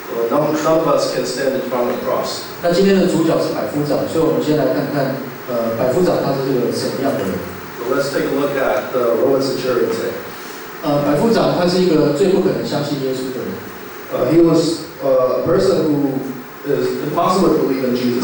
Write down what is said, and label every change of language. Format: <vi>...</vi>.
<en>None of us can stand in front of the cross.</en> <zh>那今天的主角是百夫长，所以我们先来看看，百夫长他是个什么样的人。</zh> <en>So let's take a look at the Roman centurion today.</en> <zh>百夫长他是一个最不可能相信耶稣的人。</zh> <en>He was a person who It is impossible to believe in Jesus.</en>